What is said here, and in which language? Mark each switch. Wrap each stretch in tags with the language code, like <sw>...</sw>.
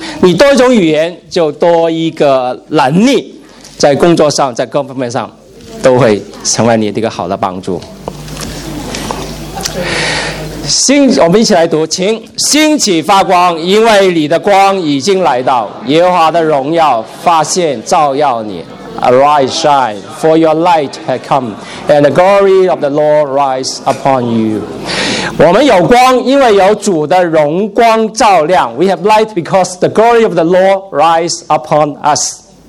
<zh>你多一种语言就多一个能力，在工作上，在各方面上都会成为你的一个好的帮助。星，我们一起来读，请兴起发光，因为你的光已经来到，耶和华的荣耀发现照耀你。</zh> <en>Arise, shine, for your light has come, and the glory of the Lord rise upon you.</en> <zh>我们有光，因为有主的荣光照亮。</zh> <en>We have light because the glory of the Lord rise upon us.</en>